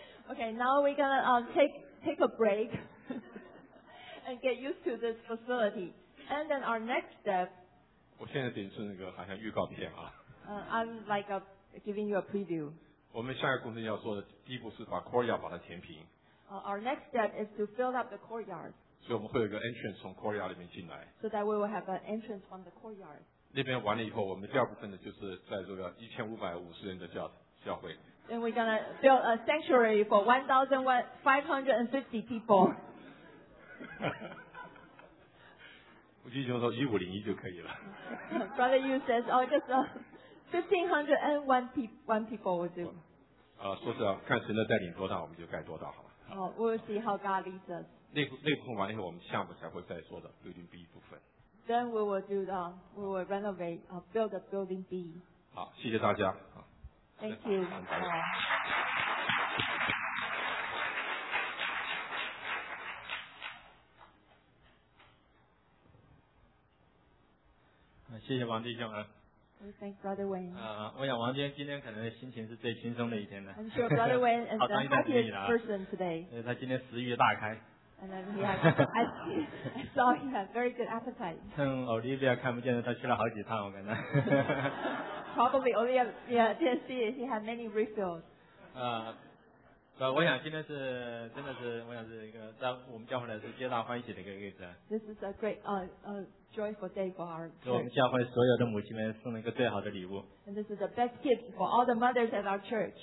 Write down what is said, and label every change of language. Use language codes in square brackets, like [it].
[en] Okay, now we're gonna take a break and get used to this facility. And then our next step. [zh] 我现在等于是那个好像预告片啊。 [en] I'm like giving you a preview. [zh] 我们下一个工程要做的第一步是把 courtyard 把它填平。 [en] Our next step is to fill up the courtyard. [zh] 所以我们会有一个 entrance 从 courtyard 里面进来。 [en] So that we will have an entrance from the courtyard. [zh] 那边完了以后，我们第二部分呢就是在这个1550人的教会。 [en] Then we're gonna build a sanctuary for 1,550 people. [zh] 我弟兄说1501就可以了。 [en] Brother Yu says, oh, just 1500 and one people will do. [zh] 说是要看神的带领多大，我们就盖多大好了。 [en] Oh, we'll see how God leads us. [zh] 那部分完了以后，我们下午才会再说的 Building B 部分。 [en] Then we will do the, we will renovate, build a Building B. [zh] 好，谢谢大家。 [en] Thank you. [zh] 谢谢王弟兄啊。 [en] Thank Brother Wayne. [zh] 我想王弟兄今天可能心情是最轻松的一天了。 [en] I'm sure Brother Wayne is the happiest person today. [zh] 他今天食欲大开。 [en] And then I saw he had very good appetite. [zh] 趁 Olivia 看不见了，他去了好几趟，我感觉。 [en] Probably Olivia didn't see it. He had many refills. [zh] 我想今天是真的是，我想是一个在我们教会来是皆大欢喜的一个日子。 [en] This is a great joyful day for our church. [zh] 我们教会所有的母亲们送了一个最好的礼物。 [en] And this is the best gift for all the mothers at our church.